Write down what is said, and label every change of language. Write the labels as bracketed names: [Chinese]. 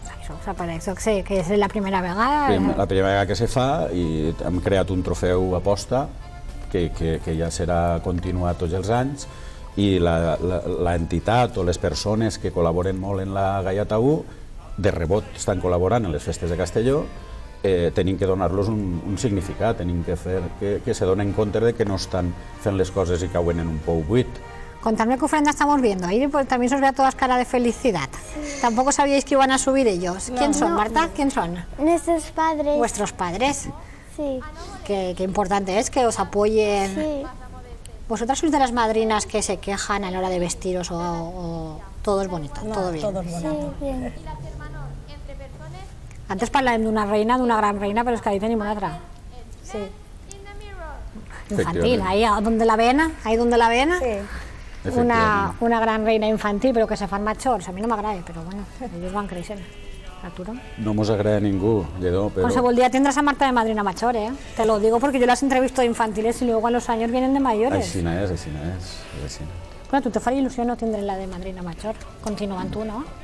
[Spanish] O sea, para eso, que es la [Catalan] primera vegada. La primera vegada que se fa i hem creat un trofeu aposta que ja serà continuat tots els anys i l'entitat o les persones que col·laboren molt en la Gaviota 1 de rebot estan col·laborant en les festes de Castelló, hem de donar-los un significat, hem de fer que se donen compte que no estan fent les coses i cauen en un pou buit. [Spanish] Contadme qué ofrenda estamos viendo. Ahí pues, también se os ve a todas cara de felicidad. Sí. Tampoco sabíais que iban a subir ellos. No, ¿quién son, no, Marta? No. ¿Quién son? Nuestros padres. ¿Vuestros padres? Sí. Qué importante es que os apoyen. Sí. ¿Vosotras sois de las madrinas que se quejan a la hora de vestiros o todo es bonito? No, todo bien. Todo es bonito. Sí, bien. Antes hablábamos de una reina, de una gran reina, pero es que ahí tenemos otra. Sí. Infantil, ahí donde la vena, ahí donde la vena. Sí. [Catalan] Una gran reina infantil, però que se fan majors. A mi no m'agrada, però bueno, ells van creixent. Arturo? No mos agrada a ningú, Lledó, però... Qualsevol dia tindràs a Marta de madrina major, eh? [Spanish] Te lo digo porque yo las entrevisto de infantiles y luego a los años vienen de mayores. [Catalan] Aixina és, aixina és. Bueno, tu te faré il·lusió no tindre la de madrina major, continuant tu, no?